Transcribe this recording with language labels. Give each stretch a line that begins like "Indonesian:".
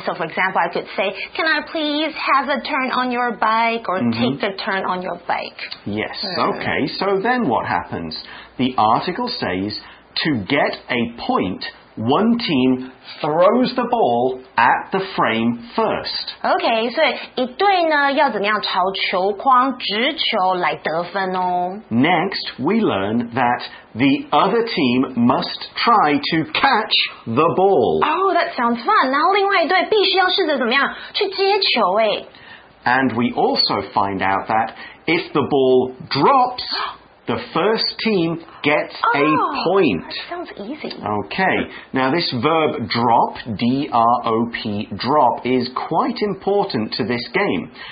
English: So for example, I could say, can I please have a turn on your bike or take a turn on your bike? Yes, okay, so then what happens? The article says, to get a point... One team throws the ball at the frame first.
Chinese: Okay, 所以一队呢要怎么样朝球框直球来得分哦。
English: Next, we learn that the other team must try to catch the ball. Oh, that sounds fun.
Chinese: 然后另外一队必须要试着怎么样去接球哎。
English: And we also find out that if the ball drops... The first team gets a point. Sounds easy. Okay. Now this verb drop, D-R-O-P, drop, is quite important to this game.